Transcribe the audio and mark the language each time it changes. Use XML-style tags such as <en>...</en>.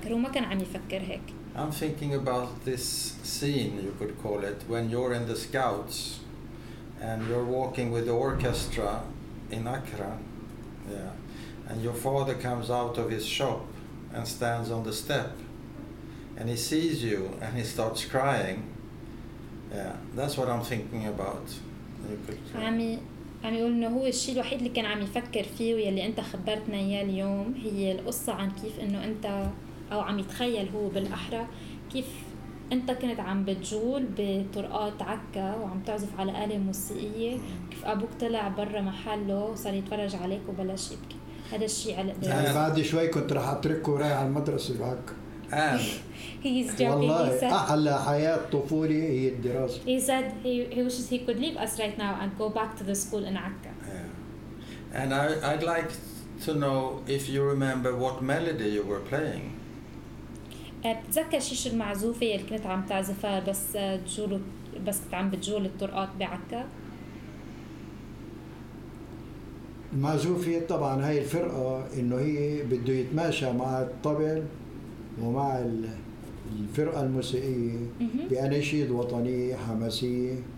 <en>I'm thinking about this scene, you could call it, when you're in the scouts and you're walking with the orchestra in Accra, yeah, and your father comes out of his shop and stands on the step and he sees you and he starts crying. Yeah, that's what I'm thinking about. You could say.</en> <ar>عم يقول إنه هو الشيء الوحيد اللي كان عم يفكر فيه واللي أنت خبرتنا إياه اليوم هي القصة عن كيف إنه أنت أو عم يتخيل هو بالأحرى كيف أنت كنت عم بتجول بطرقات عكا وعم تعزف على آلة موسيقية كيف أبوك طلع برا محله وصار يتفرج عليك وبلش يبكي هذا الشيء على أنا بعد شوي كنت رح أتركه رايح على المدرسة بعك</ar> <en>He's joking.</en> <ar>والله</ar> <en>he said,</en> <ar>أحلى حياة طفولي هي الدراسة.</ar> <en>He said he wishes he could leave us right now and go back to the school in Akka. Yeah. And I'd like to know if you remember what melody you were playing.</en> <ar>بتذكر شو المعزوفة اللي كنت عم تعزفها بس تجول بس كنت عم بتجول الطرقات بعكا. المعزوفة طبعا هاي الفرقة إنه هي بده يتماشى مع الطبل. ومع الفرقة الموسيقية بأناشيد وطنية حماسية</ar>